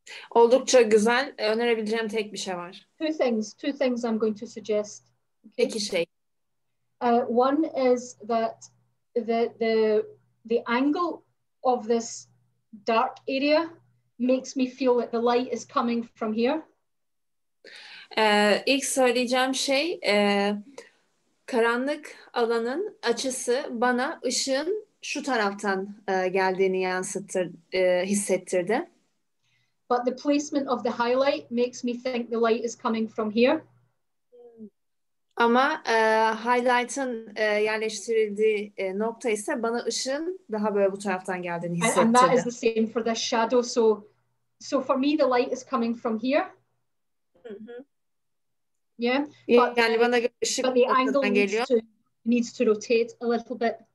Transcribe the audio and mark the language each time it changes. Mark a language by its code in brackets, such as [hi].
[tr] Oldukça güzel. Önerebileceğim tek bir şey var. [en] Two things I'm going to suggest. [tr] Okay. İki şey. [en] One is that the angle of this dark area makes me feel that the light is coming from here. [tr] İlk söyleyeceğim şey karanlık alanın açısı bana ışığın şu taraftan geldiğini hissettirdi. [en] But the placement of the highlight makes me think the light is coming from here. [tr] Ama highlight'ın yerleştirildiği nokta ise bana ışığın daha böyle bu taraftan geldiğini hissettirdi. [en] And that is the same for the shadow. So for me, the light is coming from here. Mm-hmm. Yeah. [tr] Yani bana ışık [en] but the angle needs to rotate a little bit.